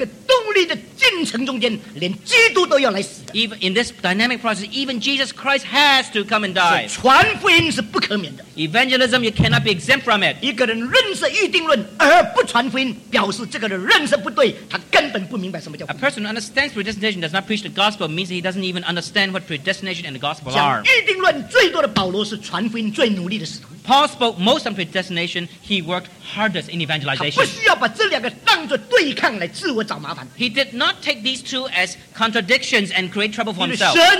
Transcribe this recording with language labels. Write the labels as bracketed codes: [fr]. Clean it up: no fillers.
[zh] 在有动力的在历史里面的进程，在这个动力的进程中间，连基督都要来死。 [en] Even in this dynamic process, even Jesus Christ has to come and die. [zh] 传福音是不可免的。 [en] Evangelism, you cannot be exempt from it. [zh] 一个人认识预定论而不传福音，表示这个人认识不对，他根本不明白什么叫。 [en] A person who understands predestination does not preach the gospel means that he doesn't even understand what predestination and the gospel are. [zh] 讲预定论最多的保罗是传福音最努力的使徒。 [en] Paul spoke most on predestination. He worked hardest in evangelization. He did not take these two as contradictions and create trouble for himself.